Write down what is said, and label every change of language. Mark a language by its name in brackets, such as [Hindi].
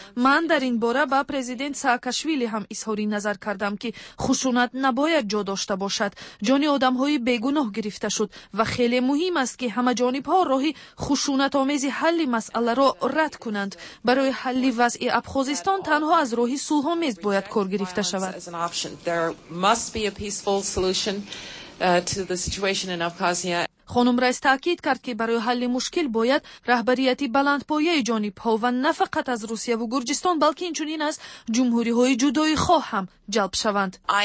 [Persian] من در این باره با پرزیدنت ساکاشویلی هم اظهار نظر کردم که خشونت نباید جا داشته باشد. جان آدم های بیگناه گرفته شد و خیلی مهم است که همه جانب ها راهی خشونت آمیز حل مسئله را رد کنند. برای حل وضع ابخازستان تنها از راه صلح آمیز باید کار گرفته شود. [English] There must be a peaceful solution to the situation in Abkhazia. [Persian] خانم رئیس تاکید کرد که برای حل مشکل باید رهبریت بلندپایه جانب ها و نه فقط از روسیه و گرجستان بلکه اینچنین از جمهوری های جدایی خواه هم جلب شوند.